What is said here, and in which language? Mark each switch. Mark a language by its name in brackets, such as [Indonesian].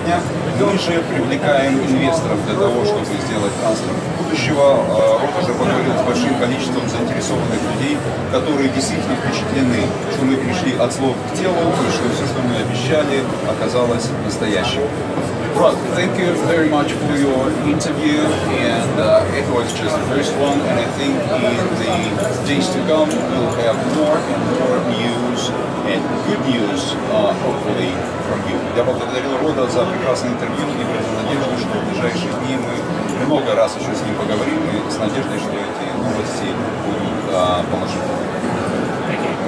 [Russian] дня. Мы же привлекаем инвесторов для того, чтобы сделать транспорт будущего. Рот уже поговорил с большим количеством заинтересованных людей, которые действительно впечатлены, что мы пришли от слов к телу, и что все, что мы обещали, оказалось настоящим. [English] Well, thank you very much for your interview, and it was just the first one, and I think in the days to come we'll have more and more news and good news, hopefully, from you. [Russian] Я поблагодарил Рода за прекрасное интервью и выразил надежду, что в ближайшие дни мы много раз еще с ним поговорим, и с надеждой, что эти новости будут положительными.